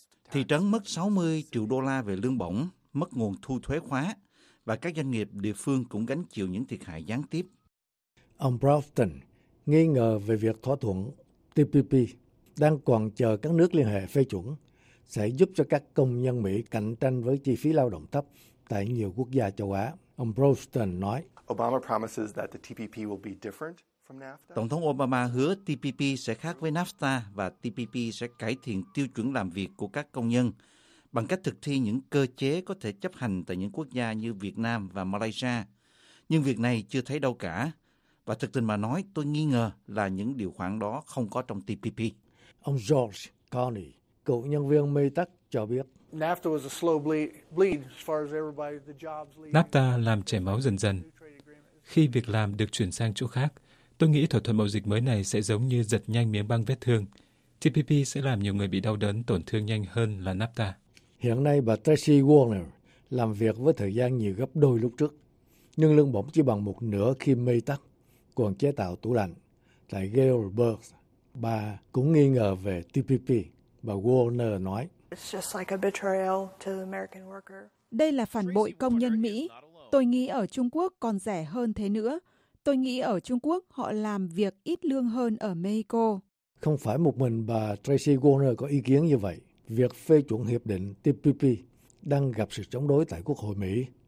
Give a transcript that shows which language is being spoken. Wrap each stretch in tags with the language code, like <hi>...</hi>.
<vi>Thị trấn mất 60 triệu đô la về lương bổng, mất nguồn thu thuế khóa, và các doanh nghiệp địa phương cũng gánh chịu những thiệt hại gián tiếp." Ông Broughton nghi ngờ về việc thỏa thuận TPP đang còn chờ các nước liên hệ phê chuẩn sẽ giúp cho các công nhân Mỹ cạnh tranh với chi phí lao động thấp tại nhiều quốc gia châu Á. Ông Broughton nói:</vi> <en>"Obama promises that the TPP will be different.</en> <vi>Tổng thống Obama hứa TPP sẽ khác với NAFTA và TPP sẽ cải thiện tiêu chuẩn làm việc của các công nhân bằng cách thực thi những cơ chế có thể chấp hành tại những quốc gia như Việt Nam và Malaysia. Nhưng việc này chưa thấy đâu cả. Và thực tình mà nói, tôi nghi ngờ là những điều khoản đó không có trong TPP." Ông George Carney, cựu nhân viên Maytag, cho biết: "NAFTA làm chảy máu dần dần. khi việc làm được chuyển sang chỗ khác. Tôi nghĩ thỏa thuận mậu dịch mới này sẽ giống như giật nhanh miếng băng vết thương. TPP sẽ làm nhiều người bị đau đớn, tổn thương nhanh hơn là NAFTA. Hiện nay bà Tracy Warner làm việc với thời gian nhiều gấp đôi lúc trước. Nhưng lương bổng chỉ bằng một nửa khi Maytag còn chế tạo tủ lạnh tại Galesburg. Bà cũng nghi ngờ về TPP. Bà Warner nói,</vi> <en>"It's just like a betrayal to the American worker."</en> <vi>Đây là phản bội công nhân Mỹ. Tôi nghĩ ở Trung Quốc còn rẻ hơn thế nữa. Tôi nghĩ ở Trung Quốc họ làm việc ít lương hơn ở Mexico. Không phải một mình bà Tracy Warner có ý kiến như vậy. Việc phê chuẩn hiệp định TPP đang gặp sự chống đối tại Quốc hội Mỹ.</vi>